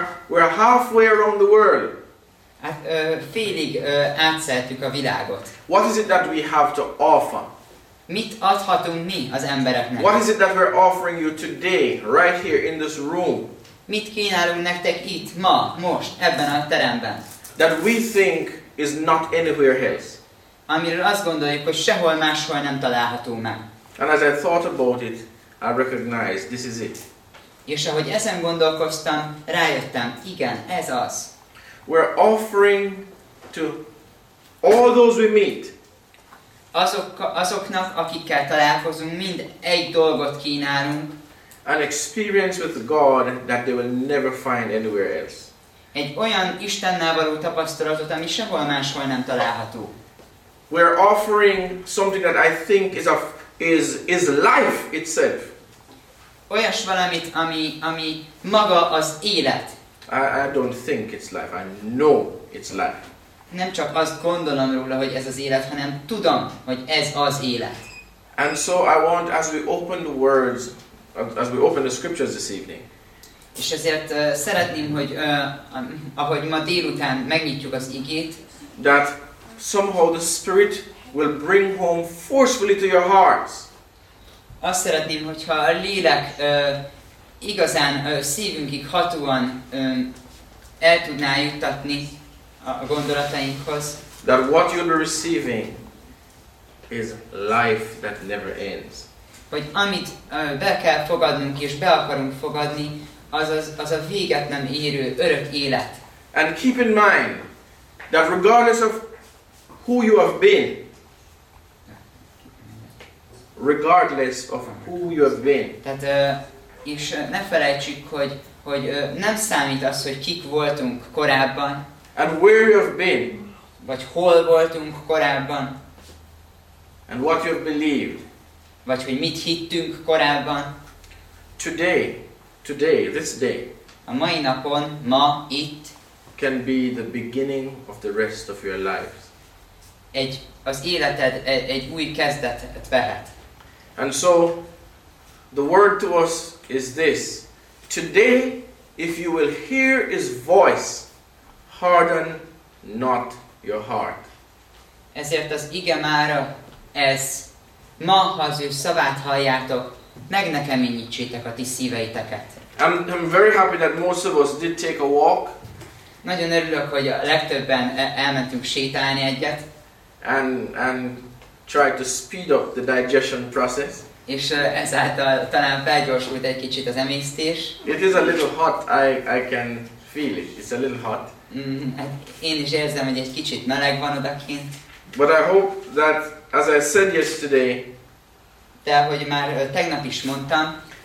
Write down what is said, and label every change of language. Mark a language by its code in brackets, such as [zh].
[en] We're halfway around the world. [hu] Hát félig átszeltük a világot. [en] What is it that we have to offer? [hu] Mit adhatunk mi az embereknek? [en] What is it that we're offering you today, right here in this room? [hu] Mit kínálunk nektek itt, ma, most, ebben a teremben? [en] That we think is not anywhere else. [hu] Amiről azt gondoljuk, hogy sehol máshol nem található meg. [en] And as I thought about it, I recognized this is it. [hu] És ahogy ezen gondolkoztam, rájöttem, igen, ez az. [en] We're offering to all those we meet. [hu] azoknak, akikkel találkozunk, mind egy dolgot kínálunk. [en] An experience with God that they will never find anywhere else. [hu] Egy olyan Istennel való tapasztalatot, ami sehol máshol nem található. [en] We are offering something that I think is of is life itself. [hu] Olyas valamit, ami maga az élet. [en] I don't think it's life. I know it's life. [hu] Nem csak azt gondolom róla, hogy ez az élet, hanem tudom, hogy ez az élet. [en] And so I want, as we open the words, as we open the scriptures this evening. [hu] És ezért szeretném, hogy ahogy ma délután megnyitjuk az igét, [en] that somehow the Spirit will bring home forcefully to your hearts. [hu] Azt szeretném, hogyha a lélek igazán szívünkig hatóan el tudná juttatni a gondolatainkhoz. [en] That what you'll be receiving is life that never ends. [hu] Hogy amit be kell fogadnunk és be akarunk fogadni, az a véget nem érő örök élet. [en] And keep in mind that regardless of who you have been, regardless of who you have been. [hu] Tehát és ne felejtsük, hogy nem számít az, hogy kik voltunk korábban. [en] And where you have been. [hu] Vagy hol voltunk korábban. [en] And what you have believed. [hu] Vagy hogy mit hittünk korábban. [en] Today, this day. [hu] A mai napon, ma, itt. [en] Can be the beginning of the rest of your lives. [hu] Az életed egy új kezdetet vehet. [en] And so, the word to us is this. Today, if you will hear his voice, harden not your heart. [hu] Ezért az ige mára ez. Ma, ha az ő szavát halljátok, meg ne keményítsétek a ti szíveiteket. [en] I'm very happy that most of us did take a walk. [hu] Nagyon örülök, hogy a legtöbben elmentünk sétálni egyet. [en] And tried to speed up the digestion process. [hu] És ezáltal talán felgyorsult egy kicsit az emésztés. [en] It is a little hot, I can feel it. It's a little hot. [hu] Én is érzem, hogy egy kicsit meleg van odakint. [en] But I hope that, as I said yesterday, [hu] de ahogy már tegnap is mondtam,